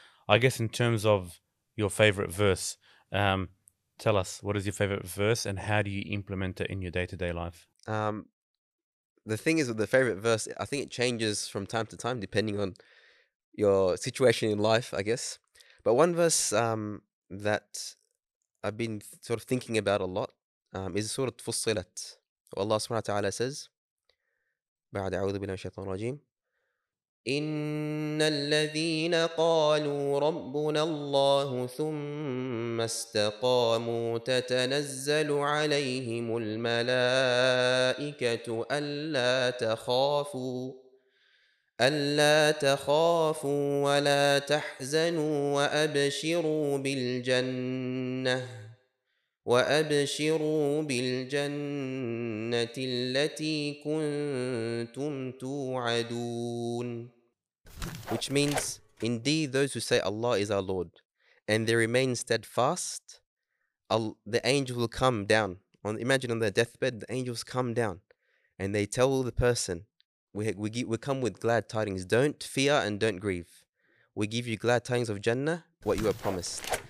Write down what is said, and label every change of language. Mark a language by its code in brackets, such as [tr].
[en] I guess in terms of your favorite verse, tell us, what is your favorite verse and how do you implement it in your day-to-day life? The thing is with the favorite verse, I think it changes from time to time depending on your situation in life, I guess. But one verse that I've been sort of thinking about a lot is Surah Fussilat. Allah subhanahu wa ta'ala says, [ar] بعد أعوذ بالله من الشيطان الرجيم إن الذين قالوا ربنا الله ثم استقاموا تتنزل عليهم الملائكة ألا تخافوا ألا تخافوا ولا تحزنوا وأبشروا بالجنة وَأَبْشِرُوا بِالْجَنَّةِ الَّتِي كُنْتُمْ تُوْعَدُونَ. [en] Which means, indeed those who say Allah is our Lord and they remain steadfast, the angel will come down. Imagine on their deathbed, the angels come down and they tell the person, we come with glad tidings. Don't fear and don't grieve. We give you glad tidings of Jannah, what you are promised.